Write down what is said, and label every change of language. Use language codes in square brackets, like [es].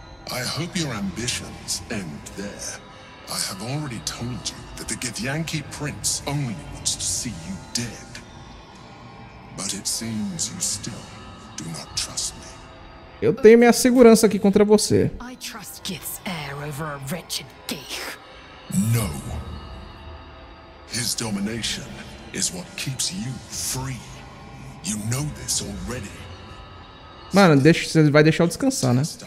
[en] I hope your ambitions end there. I have already told you that the Githyanki prince only wants to see you dead. But it seems you still do not trust me. [pt] Eu tenho minha segurança aqui contra você. [en] I trust Gith's heir over a wretched geek. No. His domination is what keeps you free. You know this already. [pt] Mano, deixa, você vai deixar eu descansar, né?